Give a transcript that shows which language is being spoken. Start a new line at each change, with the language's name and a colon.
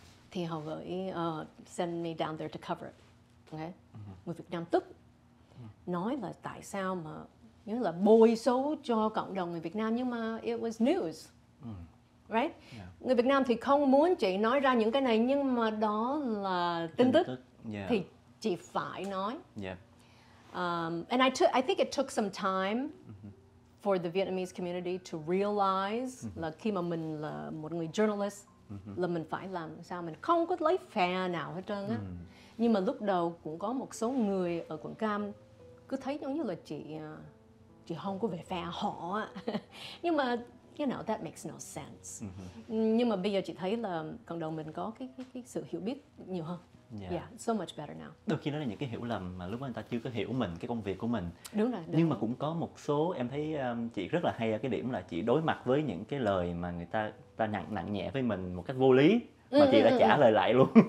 Vietnamese: Thì họ gửi
English: send me down there to cover it. Okay. Mm-hmm.
Vietnamese: Người Việt Nam tức nói là tại sao mà như là bôi xấu cho cộng đồng người Việt Nam nhưng mà
English: it was news. Mm. Right? Yeah.
Vietnamese: Người Việt Nam thì không muốn chị nói ra những cái này nhưng mà đó là tin tức.
English: Yeah.
Vietnamese: Thì chị phải nói.
English: Yeah. And I think it took some time mm-hmm. for the Vietnamese community to realize mm-hmm.
Vietnamese: là khi mà mình là một người journalist mm-hmm. là mình phải làm sao mình không có lấy phe nào hết trơn á. Mm. Nhưng mà lúc đầu cũng có một số người ở quận Cam cứ thấy giống như là chị không có về phe họ á. Nhưng mà
English: you know that makes no sense. Mm-hmm.
Vietnamese: Nhưng mà bây giờ chị thấy là cộng đồng mình có cái sự hiểu biết nhiều hơn.
English: Yeah. Yeah, so much better now.
Vietnamese: Đôi khi đó là những cái hiểu lầm mà lúc đó người ta chưa có hiểu mình, cái công việc của mình. Đúng rồi. Nhưng mà cũng có một số em thấy chị rất là hay ở cái điểm là chị đối mặt với những cái lời mà người ta nặng nhẹ với mình một cách vô lý mà chị đã trả lời lại luôn.